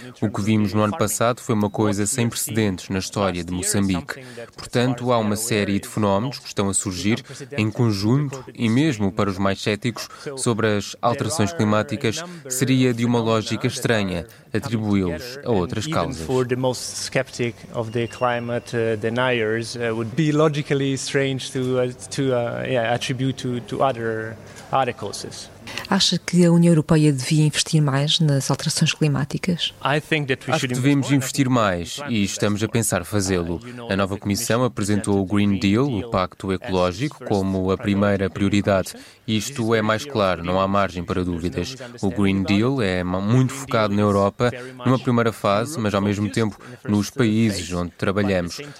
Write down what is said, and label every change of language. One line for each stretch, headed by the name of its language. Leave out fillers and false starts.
Portuguese: O que vimos no ano passado foi uma coisa sem precedentes na história de Moçambique. Portanto, há uma série de fenómenos que estão a surgir em conjunto e mesmo para os mais céticos sobre as alterações climáticas, seria de uma lógica estranha atribuí-los a outras causas.
English: For the most skeptic of the climate deniers, would be logically strange to attribute to other causes.
Portuguese: Acha que a União Europeia devia investir mais nas alterações climáticas? Acho que devemos investir mais e estamos a pensar fazê-lo. A nova Comissão apresentou o Green Deal, o Pacto Ecológico, como a primeira prioridade. Isto é mais claro, não há margem para dúvidas. O Green Deal é muito focado na Europa, numa primeira fase, mas ao mesmo tempo nos países onde trabalhamos.